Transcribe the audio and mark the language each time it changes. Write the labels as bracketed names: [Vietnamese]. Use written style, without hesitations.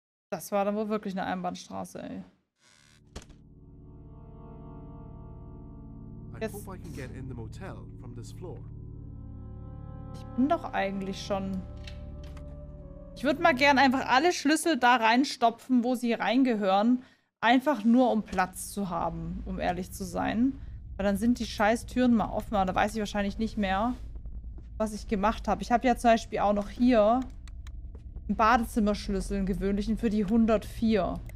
[German] Das war dann wohl wirklich eine Einbahnstraße, ey. Jetzt. [English] I hope I can get in the motel from this floor. [German] Ich bin doch eigentlich schon... Ich würde mal gern einfach alle Schlüssel da reinstopfen, wo sie reingehören. Einfach nur, um Platz zu haben, um ehrlich zu sein. Weil dann sind die scheiß Türen mal offen. Da weiß ich wahrscheinlich nicht mehr, was ich gemacht habe. Ich habe ja zum Beispiel auch noch hier einen Badezimmerschlüssel, einen gewöhnlichen, für die 104.